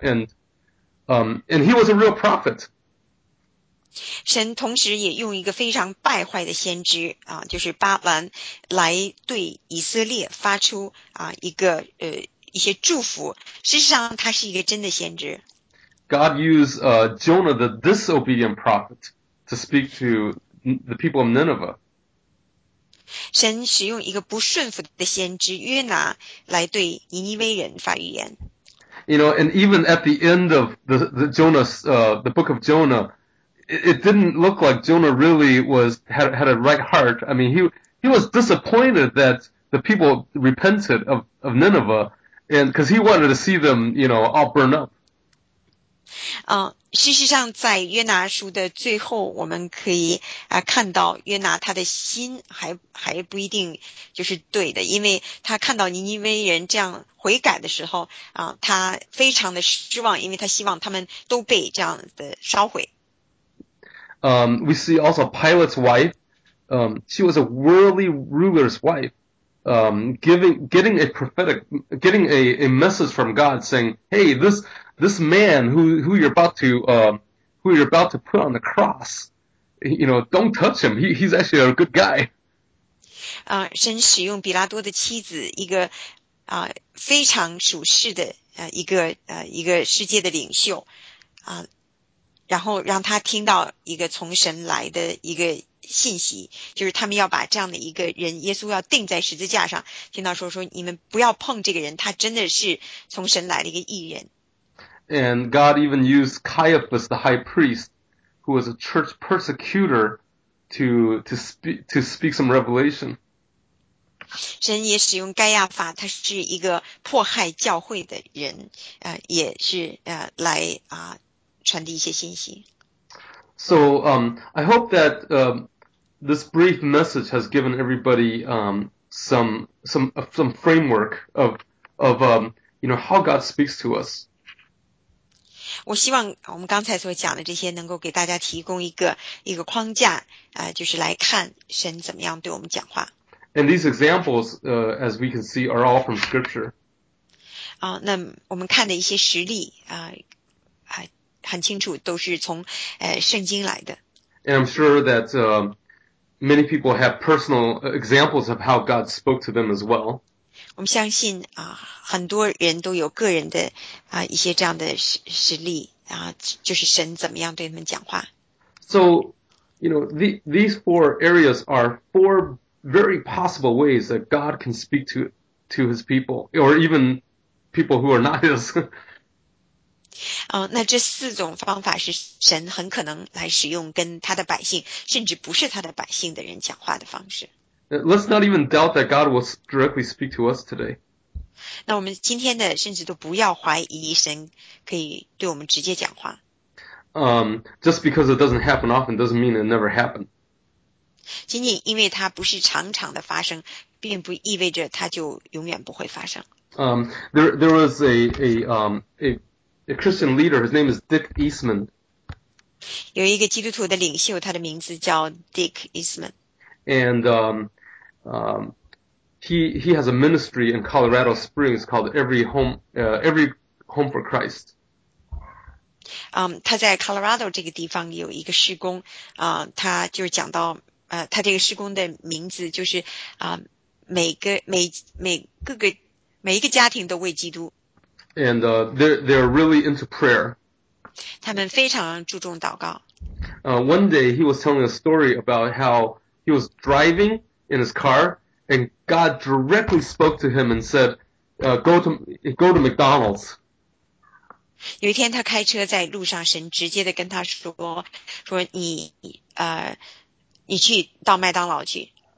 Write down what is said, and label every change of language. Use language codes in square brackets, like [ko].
[en] And he was a real prophet. [zh] 神同时也用一个非常败坏的先知就是巴兰来对以色列发出一些祝福。事实上他是一个真的先知。 [en] God used, Jonah, the disobedient prophet, to speak to the people of Nineveh. [zh] 神使用一个不顺服的先知约拿来对尼尼微人发预言。 [en] You know, and even at the end of the book of Jonah, it didn't look like Jonah really had a right heart. I mean, he was disappointed that the people repented of Nineveh, and because he wanted to see them, you know, all burn up. [zh] 事实上在约拿书的最后我们可以看到约拿他的心还不一定就是对的，因为他看到尼尼微人这样悔改的时候他非常的失望，因为他希望他们都被这样的烧毁。 [en] We see also Pilate's wife, she was a worldly ruler's wife, getting a message from God saying, hey, this man who you're about to put on the cross, you know, don't touch him. He's actually a good guy. [zh] 神使用比拉多的妻子一个非常属世的一个世界的领袖然后让他听到一个从神来的一个信息，就是他们要把这样的一个人耶稣要钉在十字架上，听到说你们不要碰这个人，他真的是从神来的一个义人。 [en] And God even used Caiaphas, the high priest, who was a church persecutor, to speak some revelation. [zh] 神也使用该亚法，他是一个迫害教会的人，也是来传递一些信息。 [en] So I hope that this brief message has given everybody some framework of you know how God speaks to us. [zh] 我希望我们刚才所讲的这些能够给大家提供一个框架就是来看神怎么样对我们讲话。 [en] And these examples, as we can see, are all from Scripture. [zh] 那我们看的一些实例很清楚，都是从圣经来的。 [en] And I'm sure that many people have personal examples of how God spoke to them as well. [zh] 我们相信啊，很多人都有个人的啊一些这样的实例啊，就是神怎么样对他们讲话。 [en] So, you know, these four areas are four very possible ways that God can speak to his people, or even people who are not his. [zh] 那这四种方法是神很可能来使用跟他的百姓，甚至不是他的百姓的人讲话的方式。 [en] Let's not even doubt that God will directly speak to us today. [zh] 那我们今天的甚至都不要怀疑神可以对我们直接讲话。 [en] Just because it doesn't happen often doesn't mean it never happened. [zh] 仅仅因为它不是常常的发生，并不意味着它就永远不会发生。 [en] There was a Christian leader, his name is Dick Eastman. [zh] 有一个基督徒的领袖，他的名字叫 Dick Eastman. [en] And he has a ministry in Colorado Springs called Every Home for Christ. [zh] 他在 Colorado 这个地方有一个事工，他就是讲到，他这个事工的名字就是每一个家庭都为基督。 [en] And they're really into prayer. [zh] 他们非常注重祷告。 [en] One day he was telling a story about how he was driving in his car and God directly spoke to him and said, go to McDonald's. [zh] 有一天他开车在路上，神直接的跟他说，你去到麦当劳去。